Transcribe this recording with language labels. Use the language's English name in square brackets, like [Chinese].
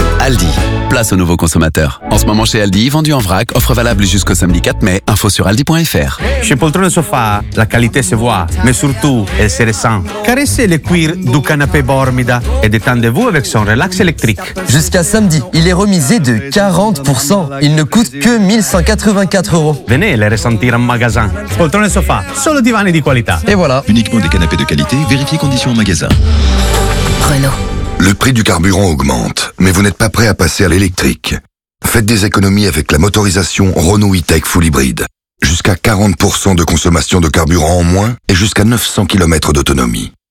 [French] Aldi, place aux nouveaux consommateurs. En ce moment chez Aldi, vendu en vrac, offre valable jusqu'au samedi 4 mai. Info sur aldi.fr. Chez Poltrone Sofa, la qualité se voit, mais surtout, elle se ressent. Caressez le cuir du canapé Bormida et détendez-vous avec son relax électrique. Jusqu'à samedi, il est remisé de 40%. Il ne coûte que 1 184 €. Venez les ressentir en magasin. [Italian] Poltrone Sofa, solo divani di qualità. [French] Et voilà. Uniquement des canapés de qualité, vérifiez conditions en magasin. Renault. Le prix du carburant augmente, mais vous n'êtes pas prêt à passer à l'électrique. Faites des économies avec la motorisation Renault E-Tech Full Hybrid. Jusqu'à 40% de consommation de carburant en moins et jusqu'à 900 km d'autonomie.